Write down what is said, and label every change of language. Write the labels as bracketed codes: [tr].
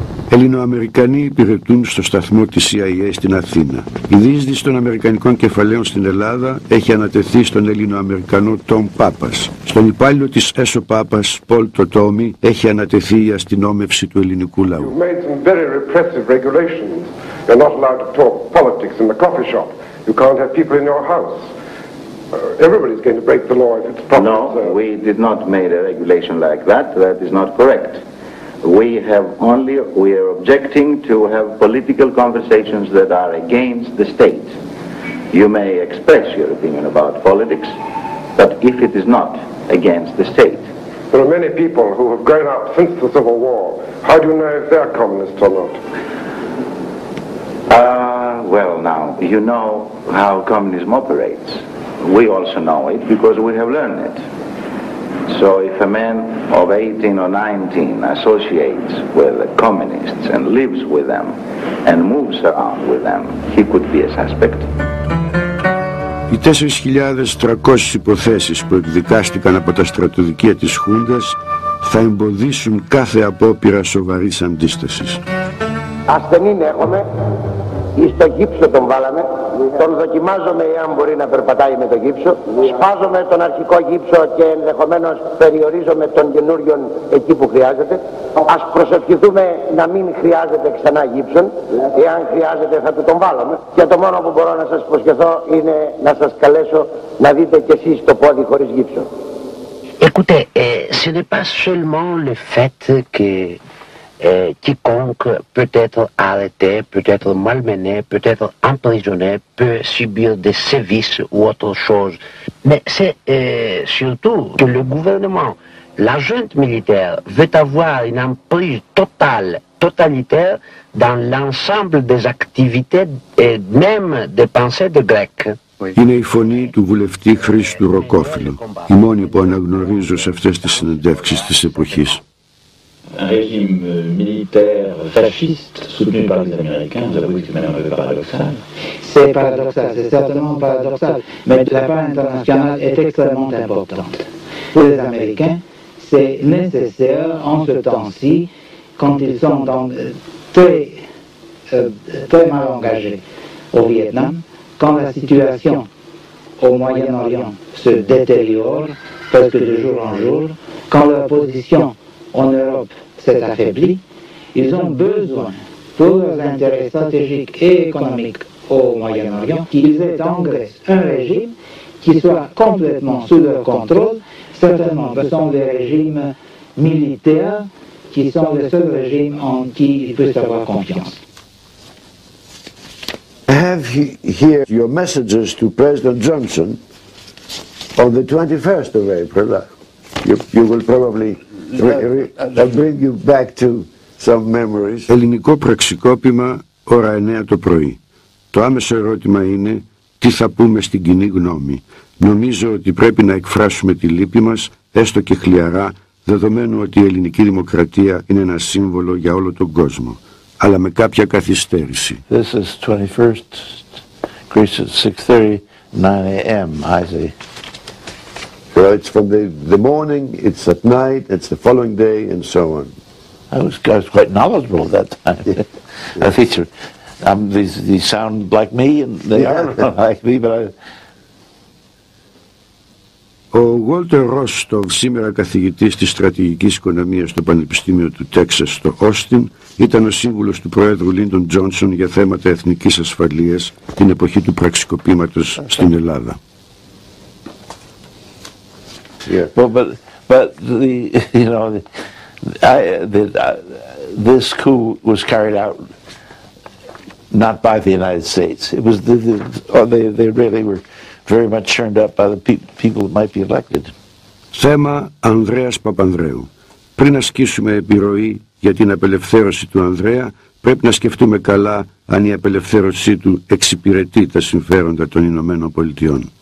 [el] Ελληνοαμερικανοί υπηρετούν στο σταθμό της CIA στην Αθήνα. Η διείσδυση των Αμερικανικών κεφαλαίων στην Ελλάδα έχει ανατεθεί στον Ελληνοαμερικανό Τόμ Πάπας. Στον υπάλληλο της ΕΣΟ Πάπας, Πολ το Τόμι, έχει ανατεθεί η αστυνόμευση του ελληνικού λαού. [en] You've made some very repressive regulations. You're not allowed to talk politics in the coffee shop. You can't have people in your house. Everybody's going to break the law if it's proper. No, we did not make a regulation like that. That is not correct. We are objecting to have political conversations that are against the state. You may express your opinion about politics, but if it is not against the state. There are many people who have grown up since the Civil War. How do you know if they are communists or not? Well now, you know how communism operates. We also know it because we have learned it. So if a man of 18 or 19 associates with the communists and lives with them and moves around with them, he could be a suspect. [el] Η 4.300 υποθέσεις που εκδικάστηκαν από τα στρατοδικεία της Χούντας θα εμποδίσουν κάθε απόπειρα σοβαρής αντίστασης. Ασθενήν έχουμε, εις το γύψο τον βάλαμε, τον δοκιμάζομαι εάν μπορεί να περπατάει με το γύψο, σπάζομαι τον αρχικό γύψο και ενδεχομένως περιορίζομαι τον καινούριο εκεί που χρειάζεται. Ας προσευχηθούμε να μην χρειάζεται ξανά γύψον, εάν χρειάζεται θα του τον βάλουμε. Και το μόνο που μπορώ να σας προσκεθώ είναι να σας καλέσω να δείτε κι εσείς το πόδι χωρίς γύψο. [fr] Écoutez, ce n'est pas seulement le fait que quiconque peut être arrêté, peut être malmené, peut être emprisonné, peut subir des sévices ou autre chose. Mais c'est surtout que le gouvernement, la junte militaire, veut avoir une emprise totale, totalitaire, dans l'ensemble des activités et même des pensées des Grecs. [el] Είναι η φωνή του βουλευτή Χρήστου Ροκόφιλου, η μόνη που αναγνωρίζω σε αυτές τις συνεντεύξεις της εποχής. [fr] Un régime militaire fasciste soutenu par les Américains, vous avouez que c'est même un peu paradoxal. C'est paradoxal, c'est certainement paradoxal, mais la part internationale est extrêmement importante. Pour les Américains, c'est nécessaire en ce temps-ci, quand ils sont dans très mal engagés au Vietnam, quand la situation au Moyen-Orient se détériore presque de jour en jour, quand leur position en Europe s'est affaiblie, ils ont besoin, pour leurs intérêts stratégiques et économiques au Moyen-Orient, qu'ils aient en Grèce un régime qui soit complètement sous leur contrôle. Certainement, ce sont des régimes militaires qui sont les seuls régimes en qui ils puissent avoir confiance. [en] I have here your messages to President Johnson on the 21st of April. You will probably bring you back to some memories. [el] Ελληνικό πραξικόπημα, ώρα 9 το πρωί. Το άμεσο ερώτημα είναι τι θα πούμε στην κοινή γνώμη. Νομίζω ότι πρέπει να εκφράσουμε τη λύπη μας, έστω και χλιαρά, δεδομένου ότι η ελληνική δημοκρατία είναι ένα σύμβολο για όλο τον κόσμο. Αλλά με κάποια καθυστέρηση. [en] This is 21st, Greece at 6:30, 9 a.m. I see. Well, it's from the morning, it's at night, it's the following day, and so on. I was quite knowledgeable at that time. Yeah. These sound like me, and they yeah. are like me, but I... [el] Ο Walter Rostov, σήμερα καθηγητής της στρατηγικής οικονομίας στο Πανεπιστήμιο του Τέξας στο Όστιν, ήταν ο σύμβουλος του Προέδρου Λίντον Τζόνσον για θέματα εθνικής ασφαλείας την εποχή του πραξικοπήματος στην Ελλάδα. [en] Yeah. Well, this coup was carried out not by the United States. It was they really were very much churned up by the people that might be elected. [el] Θέμα Ανδρέας Παπανδρέου. Πριν να ασκήσουμε επιρροή για την απελευθέρωση του Ανδρέα, πρέπει να σκεφτούμε καλά αν η απελευθέρωσή του εξυπηρετεί τα συμφέροντα των Ηνωμένων Πολιτειών.